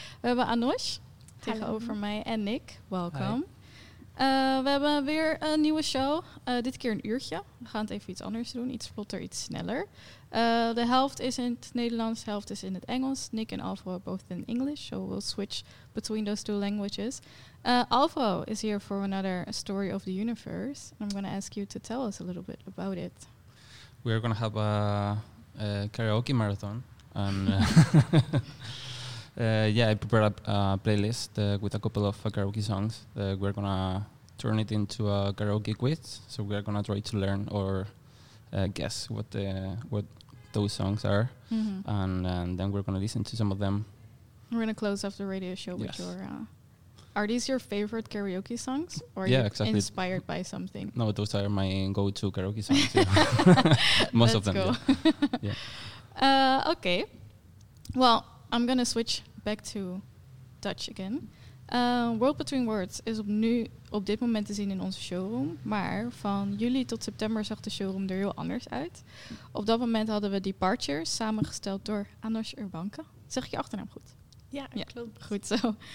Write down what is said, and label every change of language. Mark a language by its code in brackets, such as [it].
[nl] We hebben Anoush tegenover mij en Nick. Welkom. We hebben weer een nieuwe show. Dit keer een uurtje. We gaan het even iets anders doen. Iets vlotter, iets sneller. De helft is in het Nederlands, de helft is in het Engels. [en] Nick en Alvaro are both in English. So we'll switch between those two languages. Alvaro is here for another story of the universe. I'm going to ask you to tell us a little bit about it. We are going to have a karaoke marathon. And I prepared a playlist with a couple of karaoke songs. We're going to turn it into a karaoke quiz. So we're going to try to learn or guess what those songs are. Mm-hmm. And then we're going to listen to some of them. We're going to close off the radio show with your... Are these your favorite karaoke songs, or are exactly. inspired by something? No, those are my go-to karaoke songs. Yeah. Most Let's of them. Go. Yeah. Okay. Well, I'm gonna switch back to Dutch again. [nl] World Between Words is op dit moment te zien in onze showroom, maar van juli tot september zag de showroom er heel anders uit. Op dat moment hadden we Departure samengesteld door Anoush Urbanka. Zeg ik je achternaam goed? Ja, klopt. Goed zo.